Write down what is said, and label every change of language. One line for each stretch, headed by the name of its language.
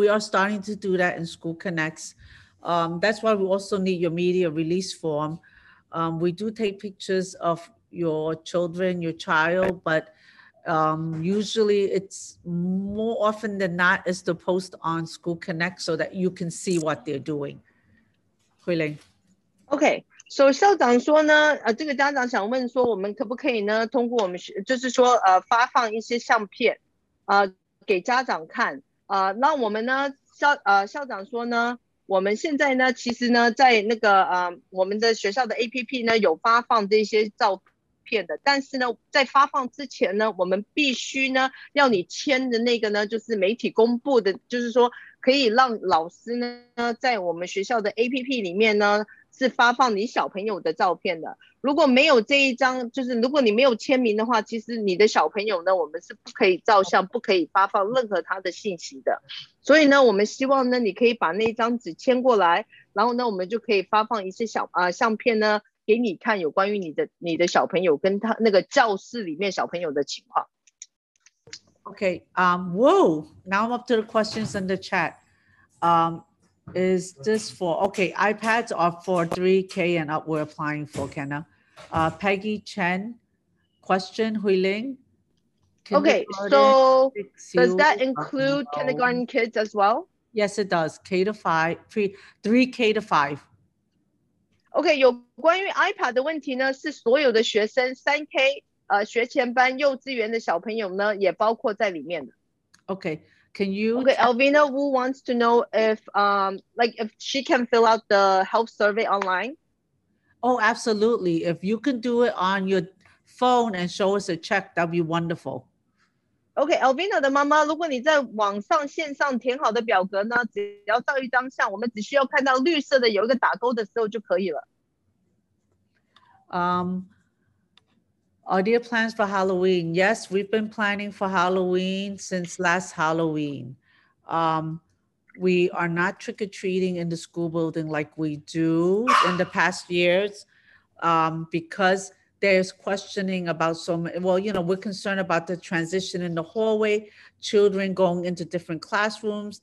English: We are starting to do that in School Connects. That's why we also need your media release form. We do take pictures of your children, your child, but usually it's more often than not is to post on School Connects so that you can see what they're doing. Huiling. Okay.
Chinese: 所以校长说呢这个家长想问说我们可不可以呢通过我们就是说发放一些相片给家长看让我们呢校长说呢我们现在呢其实呢在那个我们的学校的 APP 呢有发放这些照片的，但是呢在发放之前呢我们必须呢要你签的那个呢就是媒体公布的，就是说可以让老师呢在我们学校的 APP 里面呢是发放你小朋友的照片的。如果没有这一张，就是如果你没有签名的话，其实你的小朋友呢我们是不可以照相，不可以发放任何他的信息的。所以呢我们希望呢你可以把那张纸签过来，然后呢我们就可以发放一些相片呢给你看，有关于你的小朋友跟他那个教室里面小朋友的情况。
English: Okay, whoa, now I'm up to the questions in the chat. Is this for, okay, iPads are for 3K and up, we're applying for, Kenna. Peggy Chen, question, Huiling. Okay, so does that include kindergarten kids as well? Yes, it does. K to 3K to 5.
Chinese: Okay, 有关于 iPad 的问题呢，是所有的学生 3K, 学前班幼稚园的小朋友呢，也包括在里面的。
English: Okay. Can you? Okay, Alvina Wu wants to know if she can fill out the health survey online. Oh, absolutely. If you can do it on your phone and show us a check, that'd be wonderful.
Chinese: Okay, Alvina 的妈妈，如果你在网上线上填好的表格呢，只要照一张相，我们只需要看到绿色的有一个打勾的时候就可以了。
English: Are there plans for Halloween? Yes, we've been planning for Halloween since last Halloween. We are not trick-or-treating in the school building like we do in the past years because there's questioning about we're concerned about the transition in the hallway, children going into different classrooms.